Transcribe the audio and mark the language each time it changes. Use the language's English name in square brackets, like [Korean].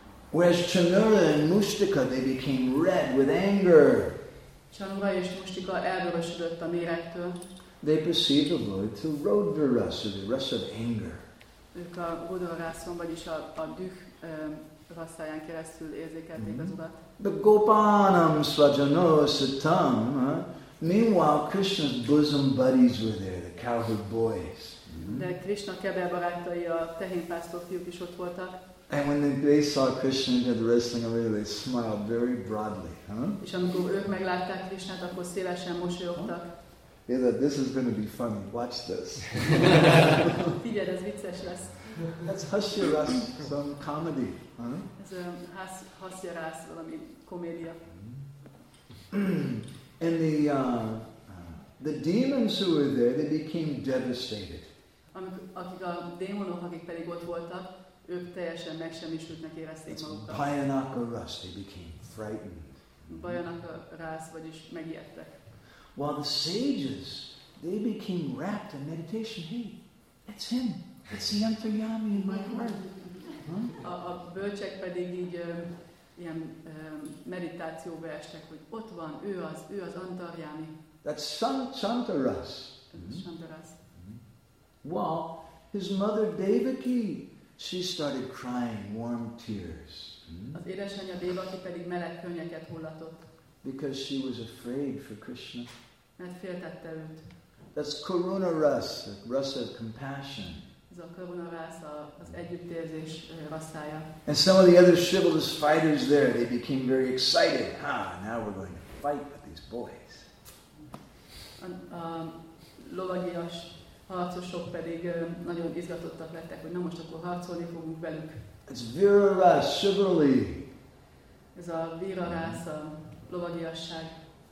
[English] Whereas Chanura and Mushtika, they became red with anger. [Hungarian] Chanura és Mushtika elvörösödött a mérektől. [English] they perceive the Lord through Rodvarasa, the rasa of anger. [Hungarian] Ők a Rodvaraszon, vagyis a düh rasszáján keresztül érzékelték az urat. [Sanskrit] The Gopanam Svajano Sattam. [English] Meanwhile, Krishna's bosom buddies were there, the cowherd boys. [Hungarian] De Krishna kebel barátai, a tehénpásztor fiúk is ott voltak. [English] And when they saw Krishna at the wrestling arena, they smiled very broadly, huh? [Hungarian] És amikor ők meglátták Krishnát, akkor szélesen mosolyogtak. [English] Yeah, that this is going to be funny. Watch this. [Hungarian] Figyeld, ez vicces lesz. [English] That's Hasyaras, some comedy, huh? [Hungarian] Ez Hasyaras, valami komédia. [English] And the demons who were there, they became devastated. [Hungarian] Akik a démonok, akik pedig ott voltak, ők teljesen megsemmisültnek érezték magukat. [English] Bhayanaka Ras, they became frightened. [Hungarian] Bhayanaka Ras, vagyis megijedtek. [English] While the sages, they became wrapped in meditation. Hey, it's him. It's the Antaryami in my heart. [Hungarian] A bölcsek pedig így ilyen meditációba estek, hogy ott van, ő az Antaryami. [English] That's Santaras. [Hungarian] Santaras. [English] Well, his mother Devaki, she started crying warm tears. [Hungarian] Az édesanyja Devaki pedig meleg könnyeket hullatott. [English] Because she was afraid for Krishna. [Hungarian] Mert féltette őt. [English] That's Karuna Ras, a Ras of compassion. [Hungarian] Ez a Karuna Ras, az együttérzés rasszája. [English] And some of the other chivalrous fighters there, they became very excited. Ah, now we're going to fight with these boys. [Hungarian] A lovagias harcosok pedig nagyon izgatottak lettek, hogy na most akkor harcolni fogunk velük. [English] It's Vira Ras, chivalry. [Hungarian] Ez a Vira Ras, a lovagiasság.